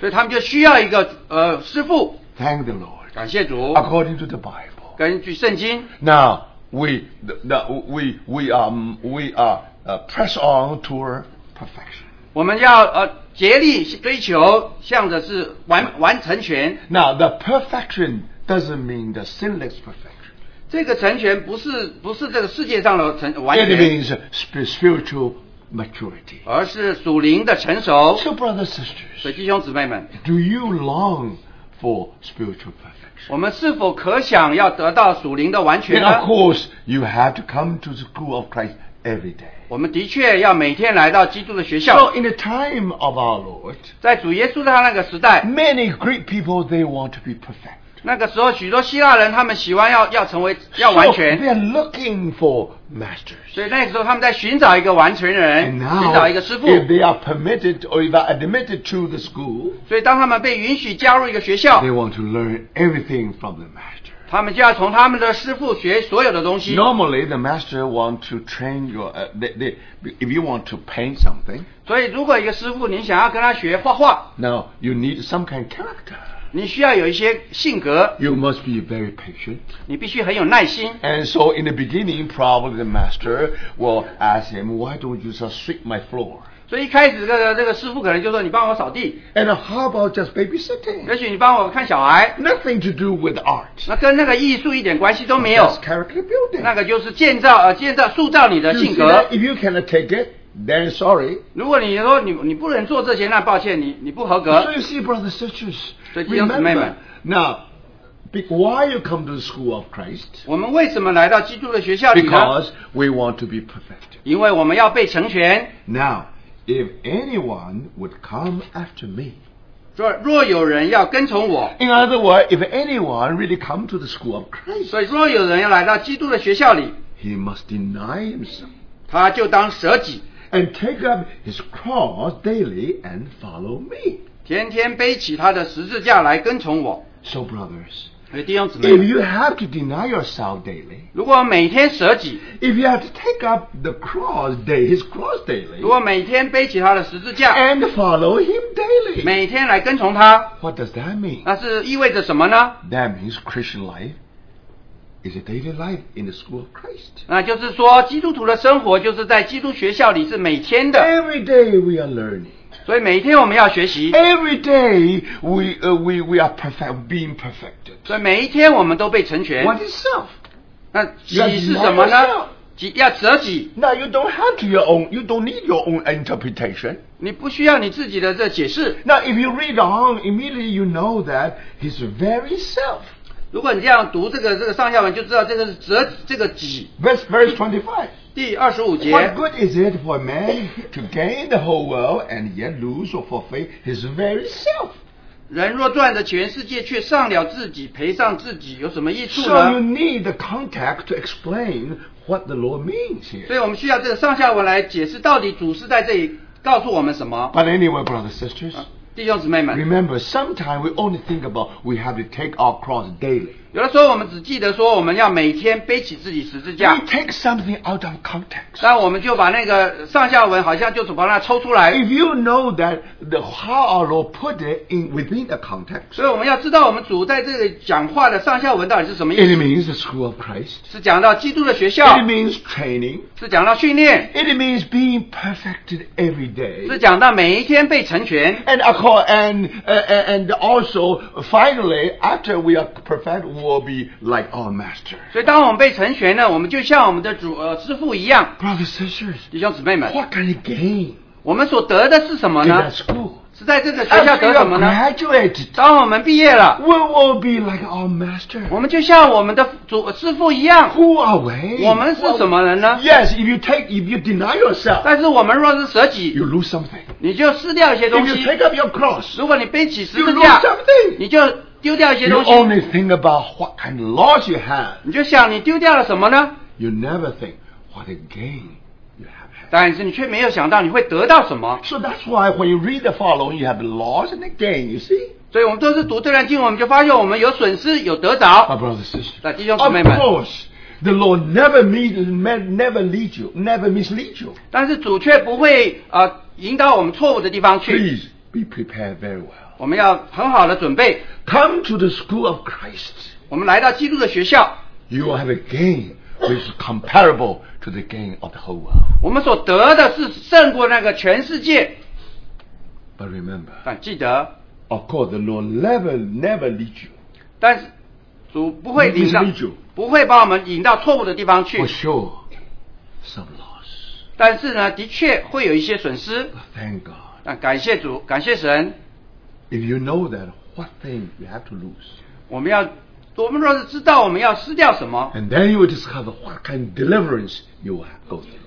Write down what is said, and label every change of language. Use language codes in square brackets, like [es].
[zh] 所以他们就需要一个师傅。 [en] Thank the Lord. [zh] 感谢主, [en] according to the Bible. [zh] 根据圣经, [en] now we press on toward perfection. [zh] 我们要竭力追求向的是完成全。 [en] Now the perfection doesn't mean the sinless perfection. [zh] 这个成全不是这个世界上的完全。 [en] It means spiritual maturity. [zh] 而是属灵的成熟。 [en] So brothers and sisters, [zh] 所以弟兄姊妹们, [en] do you long for spiritual perfection? [zh] 我们是否可想要得到属灵的完全呢? [en] And of course, you have to come to the school of Christ every day. [zh] 我们的确要每天来到基督的学校。 [en] So in the time of our Lord, [zh] 在主耶稣的那个时代, [en] many Greek people, they want to be perfect. [zh] 那个时候许多希腊人他们喜欢要成为要完全。 [en] So they are looking for masters. [zh] 所以那个时候他们在寻找一个完全人。 [en] And now, [zh] 寻找一个师父, [en] if they are permitted or if are admitted to the school, [zh] 所以当他们被允许加入一个学校, [en] they want to learn everything from the master. [zh] 他们就要从他们的师父学所有的东西。 [en] Normally, the master want to train your, if you want to paint something, [zh] 所以如果一个师父您想要跟他学画画, [en] now, you need some kind of character. [zh] 你需要有一些性格。 [en] You must be very patient. [zh] 你必须很有耐心。 [en] And so in the beginning, probably the master will ask him, why don't you just sweep my floor? [zh] 所以一开始这个师傅可能就说你帮我扫地。 [en] And how about just babysitting? [zh] 也许你帮我看小孩。 [en] Nothing to do with art. [zh] 那跟那个艺术一点关系都没有。 [en] That's character building. [zh] 那个就是建造塑造你的性格。 [en] You see that? If you cannot take it, then sorry. [zh] 如果你说你不能做这些，那抱歉，你不合格。 [en] So you see, brothers and sisters, [zh] 所以弟兄姊妹们, [en] remember, now, why you come to the school of Christ? [zh] 我们为什么来到基督的学校里呢? [en] Because we want to be perfect. [zh] 因为我们要被成全。 [en] Now, if anyone would come after me, [zh] 若有人要跟从我, [en] in other words, if anyone really come to the school of Christ, [zh] 所以若有人要来到基督的学校里, [en] he must deny himself. [zh] 他就当舍己, [en] and take up his cross daily and follow me. [zh] 天天背起他的十字架来跟从我, [en] so brothers, [zh] 弟兄姊妹, [en] if you have to deny yourself daily, [zh] 如果每天舍己, [en] if you have to take up the cross day, his cross daily, [zh] 如果每天背起他的十字架, [en] and follow him daily, [zh] 每天来跟从他, [en] what does that mean? [zh] 那是意味着什么呢? [en] That means Christian life is a daily life in the school of Christ. [zh] 那就是说基督徒的生活就是在基督学校里是每天的, [en] every day we are learning. [zh] 所以每一天我们要学习, [en] every day we are perfect, being perfected. [zh] 所以每一天我们都被成全, [en] what is self? [zh] 那己是什么呢?要舍己, [en] now you don't have to your own, you don't need your own interpretation. [zh] 你不需要你自己的这解释, [en] now if you read on, immediately you know that his very self. [zh] 如果你这样读这个上下文, 就知道这个是舍己, [en] verse 25, [zh] 第25节, [en] what good is it for a man to gain the whole world and yet lose or forfeit his very self? [zh] 人若赚得全世界, 却上了自己, 赔上自己, 有什么益处呢? [en] So you need the context to explain what the Lord means here. [zh] 所以我们需要这个上下文来解释到底主是在这里告诉我们什么? [en] But anyway, brothers and sisters, [zh] 弟兄姊妹们, [en] remember, sometimes we only think about we have to take our cross daily. [zh] 有的时候我们只记得说我们要每天背起自己十字架, [en] we take something out of context. [zh] 但我们就把那个上下文好像就是把它抽出来, [en] if you know that the how our Lord put it in within the context, [zh] 所以我们要知道我们主在这里讲话的上下文到底是什么意思, [en] it means the school of Christ, [zh] 是讲到基督的学校, [en] it means training, [zh] 是讲到训练, [en] it means being perfected every day, [zh] 是讲到每一天被成全, [en] and also finally after we are perfected will be like our master. [zh] 所以当我们被成全呢, 我们就像我们的主, 师父一样, [en] brothers and sisters, [zh] 弟兄姊妹们, [en] what can you gain? [zh] 我们所得的是什么呢? [en] In that school, [zh] 是在这个学校得什么呢? [en] After you are graduated, [zh] 当我们毕业了, [en] we will be like our master. [zh] 我们就像我们的主, 师父一样, [en] who are we? [zh] 我们是什么人呢?Well, [en] yes, if you deny yourself, [zh] 但是我们若是舍己, [en] you lose something. [zh] 你就失掉一些东西, [en] if you take up your cross, [zh] 如果你背起十字架, [en] you lose something. [zh] 你就, [en] you only think about what kind of loss you have. [zh] 你就想你丢掉了什么呢? [en] You never think what a gain you have had. [zh] 但是你却没有想到你会得到什么。 [en] So that's why when you read the following, you have a loss and a gain, you see? [zh] 所以我们都是读这段经, 我们就发现我们有损失, 有得着。 [en] My brothers and sisters, [zh] 弟兄姊妹们, [en] of course, the Lord never mislead you. [zh] 但是主却不会, 引导我们错误的地方去。 [en] Please be prepared very well. [zh] 我们要很好的准备, [en] come to the school of Christ, [zh] 我们来到基督的学校, [en] you will have a gain which is comparable to the gain of the whole world. [zh] 我们所得的是胜过那个全世界, [en] but remember, [zh] 但记得, [en] of course the Lord never lead you, [zh] 但是主不会领导, 不会把我们引到错误的地方去, [en] for sure some loss, [zh] 但是呢, 的确会有一些损失, [en] but thank God, [zh] 但感谢主, 感谢神, [en] if you know that, what thing you have to lose? [zh] 我们若是知道我们要失掉什么, [en] and then you will discover what kind of deliverance you will go through.